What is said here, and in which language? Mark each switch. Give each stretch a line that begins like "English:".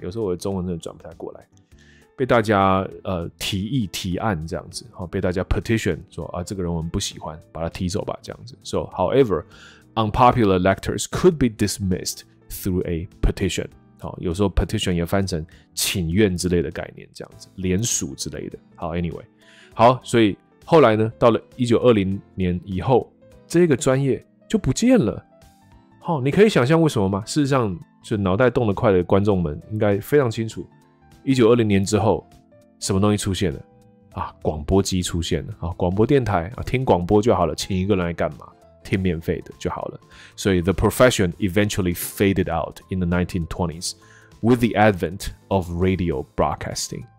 Chinese: 有时候我的中文真的转不太过来，被大家提案这样子，好被大家 petition 说啊，这个人我们不喜欢，把他踢走吧这样子。
English: So however， unpopular lectors could be dismissed through a petition。
Chinese: 好，有时候 petition 也翻成请愿之类的概念，这样子联署之类的。好 ，anyway， 好，所以后来呢，到了1920年以后，这个专业就不见了。好，你可以想象为什么吗？事实上，就脑袋动得快的观众们应该非常清楚， 1920年之后，什么东西出现了？啊，广播机出现了。啊，广播电台啊，听广播就好了，请一个人来干嘛？听免费的就好了。
English: 所以 the profession eventually faded out in the 1920s with the advent of radio broadcasting.